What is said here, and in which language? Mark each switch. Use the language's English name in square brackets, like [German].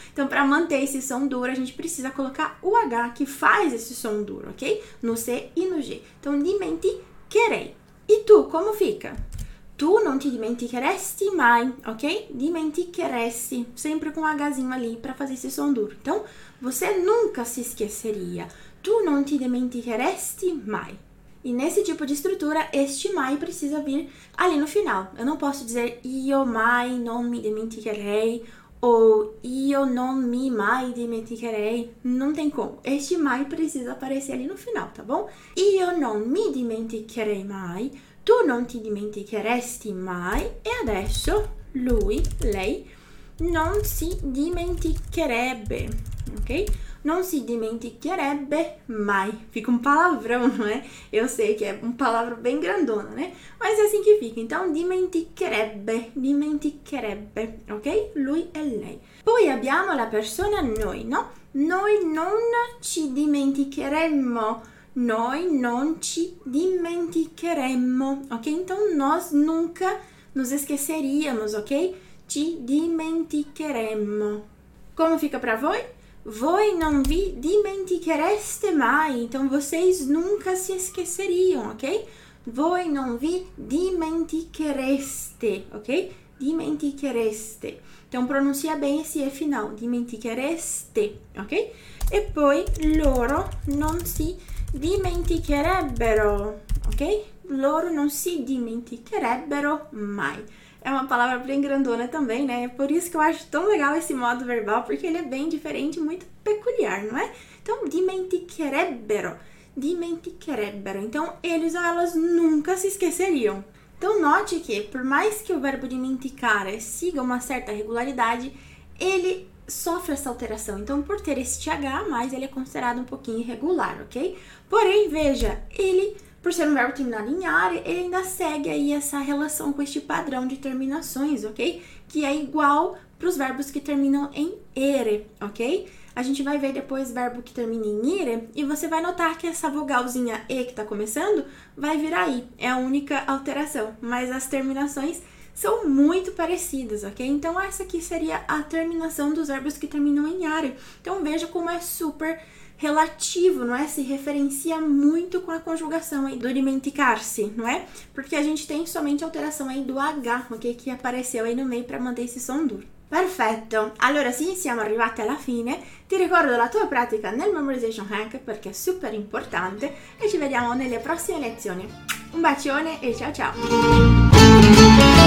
[Portuguese] Então, para manter esse som duro, a gente precisa colocar o H que faz esse som duro, ok? No C e no G. Então, de menticherei. E tu, como fica? [Italian] Tu non ti dimenticheresti mai, ok? [Portuguese] Dimenticheresti, sempre com um Hzinho ali para fazer esse som duro. Então, você nunca se esqueceria. [Italian] Tu non ti dimenticheresti mai. [Portuguese] E nesse tipo de estrutura, este mai precisa vir ali no final. Eu não posso dizer [Italian] io mai non mi dimenticherei [Portuguese] ou [Italian] io non mi mai dimenticherei. [Portuguese] Não tem como. Este mai precisa aparecer ali no final, tá bom? [Italian] Io non mi dimenticherei mai, tu non ti dimenticheresti mai e adesso lui, lei, non si dimenticherebbe, ok? Non si dimenticherebbe mai. [Portuguese] Fica um palavrão, não é? Eu sei que é um palavrão bem grandona, né? Mas é assim que fica. [Italian] Então, dimenticherebbe. Dimenticherebbe, ok? Lui e lei. Poi abbiamo la persona noi, no? Noi non ci dimenticheremmo. Noi non ci dimenticheremmo, ok? [Portuguese] Então, nós nunca nos esqueceríamos, ok? [Italian] Ci dimenticheremmo. [Portuguese] Como fica para voi? [Italian] Voi non vi dimenticherete mai. [Portuguese] Então, vocês nunca se esqueceriam, ok? [Italian] Voi non vi dimenticherete, ok? Dimenticherete. [Portuguese] Então, pronuncia bem esse E final. [Italian] Dimenticherete, ok? E poi, loro non si dimenticherebbero, ok? Loro non si dimenticherebbero mai. [Portuguese] É uma palavra bem grandona também, né? É por isso que eu acho tão legal esse modo verbal, porque ele é bem diferente e muito peculiar, não é? Então, dimenticherebbero, dimenticherebbero. Então, eles ou elas nunca se esqueceriam. Então, note que, por mais que o verbo dimenticare siga uma certa regularidade, ele sofre essa alteração. Então, por ter esse TH a mais, ele é considerado um pouquinho irregular, ok? Porém, veja, ele, por ser um verbo terminado em are, ele ainda segue aí essa relação com este padrão de terminações, ok? Que é igual para os verbos que terminam em ere, ok? A gente vai ver depois verbo que termina em ire, e você vai notar que essa vogalzinha e que está começando vai virar aí. É a única alteração, mas as terminações são muito parecidas, ok? Então, essa aqui seria a terminação dos verbos que terminam em are. Então, veja como é super relativo, não é? Se referencia muito com a conjugação aí do dimenticar-se, não é? Porque a gente tem somente a alteração aí do H, ok? Que apareceu aí no meio para manter esse som duro. [Italian] Perfetto! Allora sì, siamo arrivati alla fine. Ti ricordo la tua pratica nel Memorization Hack perché è super importante e ci vediamo nelle prossime lezioni. Un bacione e ciao ciao!